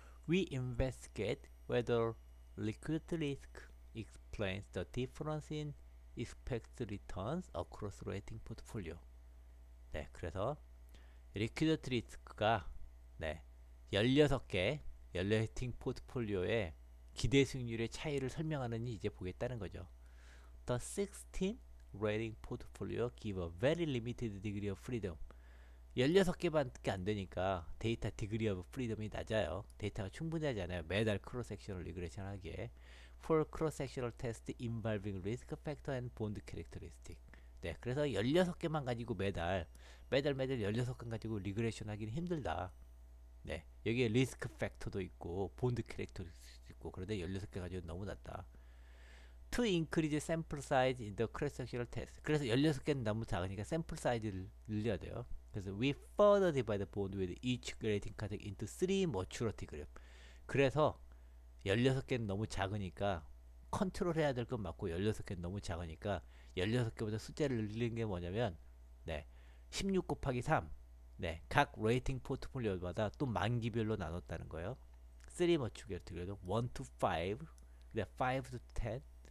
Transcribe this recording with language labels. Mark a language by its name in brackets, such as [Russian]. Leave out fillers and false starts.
[English] We investigate whether liquidity risk explains the difference in expected returns across rating portfolio. [Korean] 네, 그래서 리퀴디티 리스크가 네, 16개 레이팅 포트폴리오의 기대 수익률의 차이를 설명하는지 이제 보겠다는 거죠. [English] The 16 rating portfolio give a very limited degree of freedom. [Korean] 16개밖에 안 되니까 데이터 degree of freedom이 낮아요. 데이터가 충분하지 않아요. 매달 cross-sectional regression 하기에. [English] For cross-sectional test involving risk factor and bond characteristic. [Korean] 네, 그래서 16개만 가지고 매달 16개만 가지고 리그레션 하기는 힘들다. 네, 여기에 리스크 팩터도 있고 본드 캐릭터리스틱도 있고 그런데 16개 가지고 너무 낮다. [English] To increase sample size in the cross-sectional test. [Korean] 그래서 16개는 너무 작으니까 sample size를 늘려야 돼요. 그래서 [English] we further divide the bond with each grading card into three maturity group. [Korean] 그래서 16개는 너무 작으니까 컨트롤해야 될건 맞고 16개는 너무 작으니까 16개보다 숫자를 늘리는 게 뭐냐면 네, 16 곱하기 3. 네, 각 레이팅 포트폴리오마다 또 만기별로 나눴다는 거예요. 3 맞추기 그래도 1 to 5, 5 to 10.